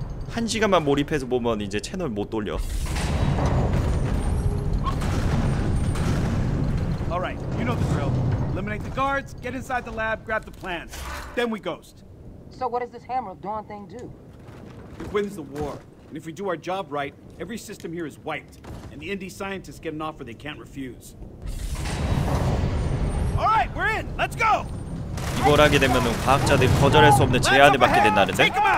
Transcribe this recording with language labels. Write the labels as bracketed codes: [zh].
[ko] 한 시간만 몰입해서 보면 이제 채널 못 돌려. [en] Alright, you know the drill. Eliminate the guards, get inside the lab, grab the plans. Then we ghost. So what does this hammer of dawn thing do? It wins the war. And if we do our job right, every system here is wiped. And the indie scientists get an offer they can't refuse. All right, we're in. Let's go. [ko] 이걸 하게 되면은 과학자들이 거절할 수 없는 제안을 받게 된다는데.